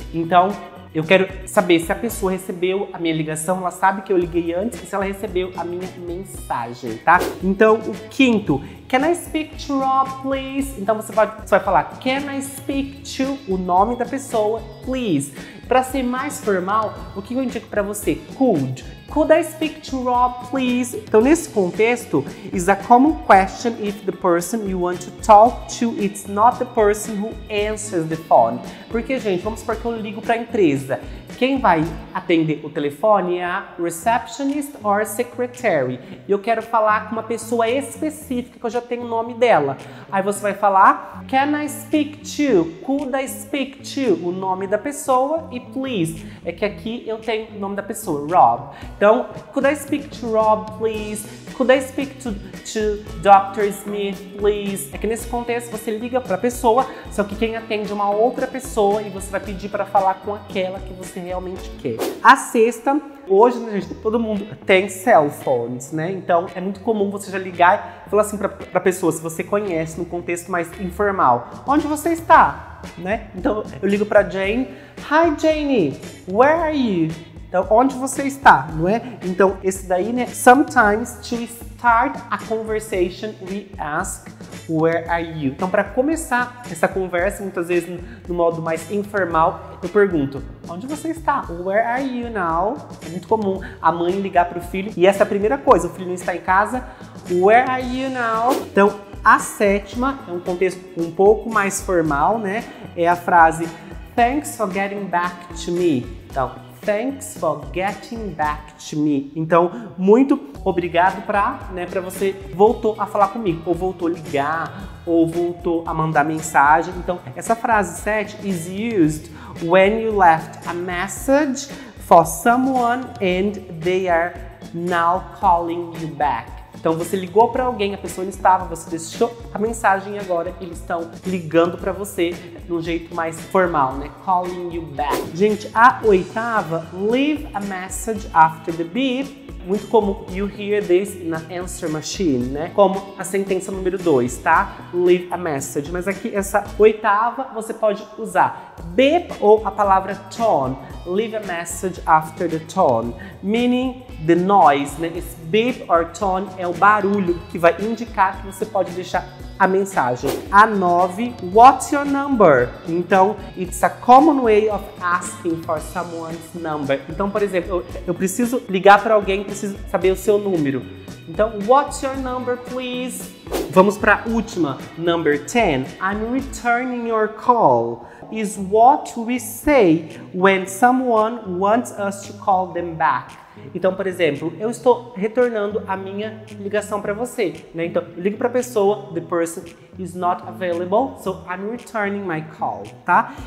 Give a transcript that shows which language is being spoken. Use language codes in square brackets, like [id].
[pt] Então, eu quero saber se a pessoa recebeu a minha ligação, ela sabe que eu liguei antes e se ela recebeu a minha mensagem, tá? Então, o 5, [en] can I speak to Rob, please? [pt] Então, você vai falar, [en] can I speak to [pt] o nome da pessoa, [en] please? [pt] Pra ser mais formal, o que eu indico pra você? [en] Could. Could I speak to Rob, please? [pt] Então, nesse contexto, [en] is a common question if the person you want to talk to it's not the person who answers the phone. [pt] Porque, gente, vamos supor que eu ligo para a empresa. Quem vai atender o telefone é a [en] receptionist or secretary. [pt] E eu quero falar com uma pessoa específica, que eu já tenho o nome dela. Aí você vai falar, [en] can I speak to, could I speak to, [pt] o nome da pessoa e [en] please. [pt] É que aqui eu tenho o nome da pessoa, Rob. Então, [en] could I speak to Rob, please? Could I speak to Dr. Smith, please? [pt] É que nesse contexto você liga para a pessoa, só que quem atende é uma outra pessoa e você vai pedir para falar com aquela que você realmente quer. A sexta, hoje, né, gente, todo mundo tem cell phones, né? Então, é muito comum você já ligar e falar assim pra pessoa, se você conhece no contexto mais informal, onde você está, né? Então, eu ligo pra Jane, [en] hi, Jane, where are you? [pt] Então, onde você está, não é? Então, esse daí, né? [en] Sometimes, to start a conversation, we ask, where are you? [pt] Então, para começar essa conversa, muitas vezes no modo mais informal, eu pergunto, onde você está? [en] Where are you now? [pt] É muito comum a mãe ligar para o filho. E essa é a primeira coisa, o filho não está em casa. [en] Where are you now? [pt] Então, a sétima, é um contexto um pouco mais formal, né? É a frase, [en] thanks for getting back to me. Então, thanks for getting back to me. [pt] Então, muito obrigado para, né, para você voltou a falar comigo, ou voltou a ligar, ou voltou a mandar mensagem. Então, essa frase 7 [en] is used when you left a message for someone and they are now calling you back. [pt] Então, você ligou para alguém, a pessoa não estava, você deixou a mensagem e agora eles estão ligando para você de um jeito mais formal, né? [en] Calling you back. [pt] Gente, a oitava, [en] leave a message after the beep. [pt] Muito comum, [en] you hear this in an answer machine, né? [pt] Como a sentença número 2, tá? [en] Leave a message. [pt] Mas aqui, essa oitava, você pode usar beep ou a palavra tone. [en] Leave a message after the tone. Meaning the noise, né? [pt] Esse [en] beep or tone [pt] é o barulho que vai indicar que você pode deixar a mensagem. [en] A 9, what's your number? Então, it's a common way of asking for someone's number. [pt] Então, por exemplo, eu preciso ligar para alguém, preciso saber o seu número. [en] Então, what's your number, please? [pt] Vamos para a última, [en] number 10. I'm returning your call. Is what we say when someone wants us to call them back. [pt] Então, por exemplo, eu estou retornando a minha ligação para você, né? Então, eu ligo para a pessoa, [en] the person is not available, so I'm returning my call, tá?